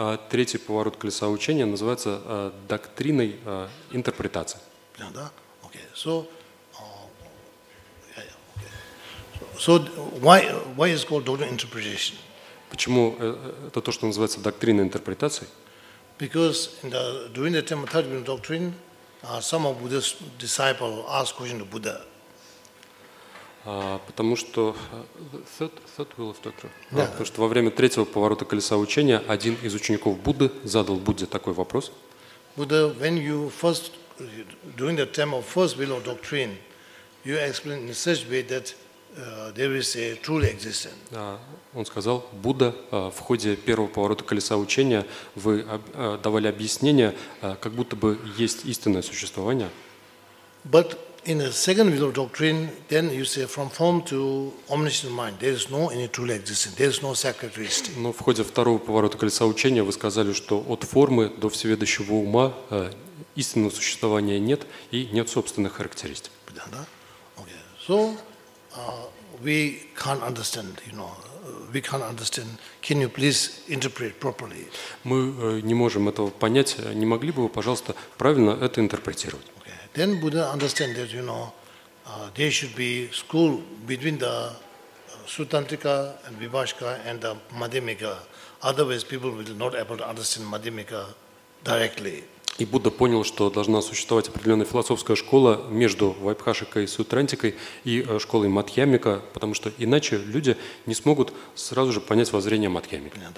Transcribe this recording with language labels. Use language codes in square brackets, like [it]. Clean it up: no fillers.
[ru] Третий поворот колеса учения называется доктриной интерпретации. Да? [en] Okay. So, so why is called doctrine interpretation? [ru] Почему это то, что называется доктриной интерпретации? [en] Because in the during the time of third Buddha doctrine, some of Buddha's disciples asked question to Buddha. [ru] Потому что [en] third wheel of doctrine. [ru] Да. Потому что во время третьего поворота колеса учения один из учеников Будды задал Будде такой вопрос. [en] Buddha, when you first during the time of first wheel of doctrine, you explained in such way that there is a truly existent. [ru] Он сказал, Будда, в ходе первого поворота колеса учения вы давали объяснение, как будто бы есть истинное существование. [en] But in the second wheel of doctrine, then you say from form to omniscient mind, there is no any truly existent. There is no self-characteristic. [ru] Но в ходе второго поворота колеса учения вы сказали, что от формы до всеведущего ума истинного существования нет и нет собственных характеристик. [en] Okay. So, we can't understand, you know, we can't understand. Can you please interpret properly? [ru] Мы не можем этого понять. Не могли бы вы, пожалуйста, правильно это интерпретировать? [en] Okay. Then Buddha understand that, you know, there should be school between the Sutantika and Vibhashika and the Madhyamika. Otherwise, people will not able to understand Madhyamika directly. [ru] И Будда понял, что должна существовать определенная философская школа между Вайбхашикой и Сутрантикой и школой Мадхьямика, потому что иначе люди не смогут сразу же понять воззрение Мадхьямика.